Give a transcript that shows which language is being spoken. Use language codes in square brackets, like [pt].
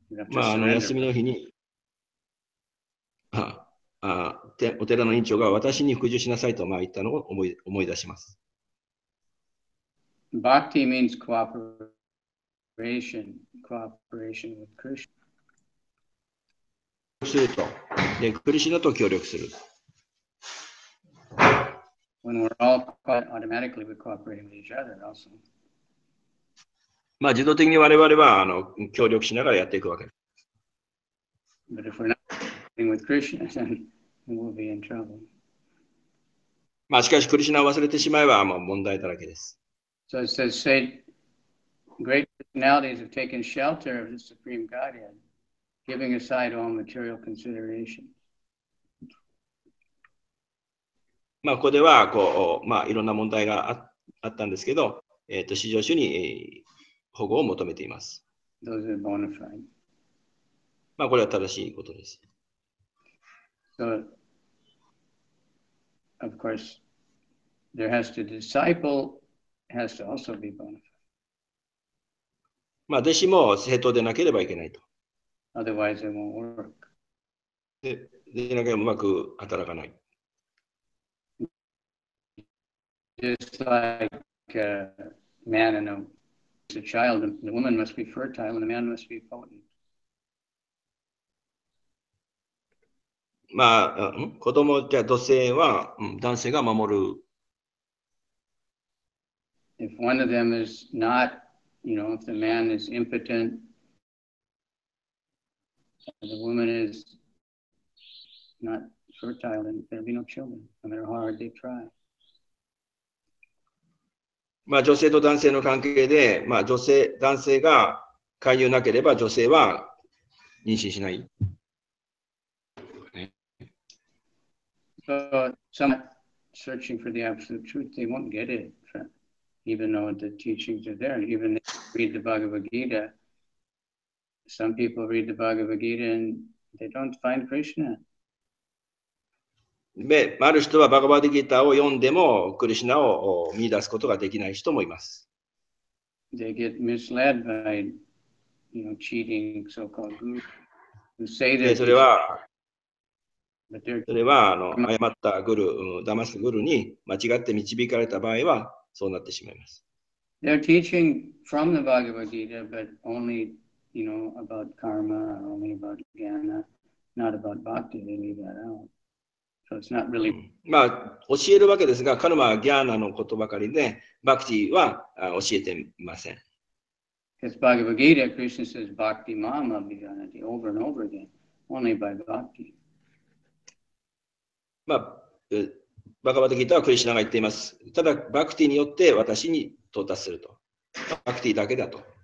[ja] まあ、あの休みの日に、お寺の院長が私に服従しなさいと、まあ、言ったのを思い出します。 [en] Bhakti means cooperation with Krishna. [ja] するとで、クリシナと協力する。 [en] When we're all automatically we're cooperating with each other also. [ja] まあ自動的に我々は協力しながらやっていくわけです。 [en] But if we're not cooperating with Krishna, then we'll be in trouble. [ja] まあしかしクリシナを忘れてしまえばもう問題だらけです。 [en] So it says, say, great personalities have taken shelter of the Supreme Godhead, giving aside all material considerations. [ja] まあここではこうまあいろんな問題が あったんですけど、至上主に、保護を求めています。 [en] Those are bona fide. [ja] まあこれは正しいことです。 [en] So, of course, there has to disciple. Has to also be bona fide. [ja] まあ弟子も正当でなければいけないと。 [en] Otherwise it won't work. [ja] でなければうまく働かない。 [en] Just like a man and a child, the woman must be fertile and the man must be potent. [ja] まあ、子供じゃ女性は、男性が守る。 [en] If one of them is not, you know, if the man is impotent, the woman is not fertile, then there'll be no children, no matter how hard they try. [ja] まあ、女性と男性の関係で、まあ、男性が介入なければ女性は妊娠しない。 [en] So, some searching for the absolute truth, they won't get it. Even though the teachings are there, even if you read the Bhagavad Gita, some people read the Bhagavad Gita and they don't find Krishna. [ja] ある人はバガバディギータを読んでもクリシナを見出すことができない人もいます。 [en] They get misled by, you know, cheating so-called gurus who say that. [ja] それは誤ったグル、騙すグルに間違って導かれた場合は。そうなってしまいます。 [en] They're teaching from the Bhagavad Gita, but only, you know, about karma, only about jnana, not about bhakti. They leave that out. So it's not really. [ja] まあ教えるわけですが、カルマ、ギャーナのことばかりで、バクティは教えていません。 [en] Because Bhagavad Gita, Krishna says, [sa] "Bhakti mam abhijanati," [en] over and over again, only by bhakti. まあ。 [ja] バガバドギータはクリシナが言っています。ただ、バクティによって私に到達すると。バクティだけだと。